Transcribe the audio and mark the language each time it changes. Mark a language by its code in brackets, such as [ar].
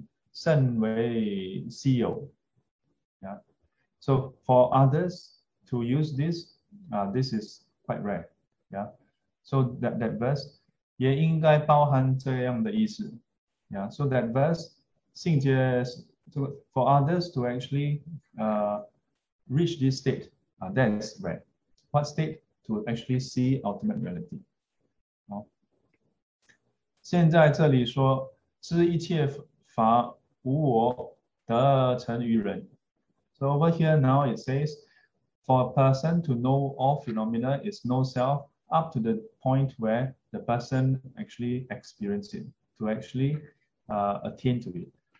[zh] 其他的人用信解受持，是人甚为稀有. Yeah. [en] So for others to use this, this is quite rare. Yeah. So that verse [zh] 也应该包含这样的意思. [en] Yeah. So that verse 信解, so for others to actually reach this state, that is rare. What state? To actually see ultimate reality. [zh] 现在这里说知一切法无我得成于人. [en] So over here now it says, for a person to know all phenomena is no self up to the point where the person actually experiences it, to actually attain to it.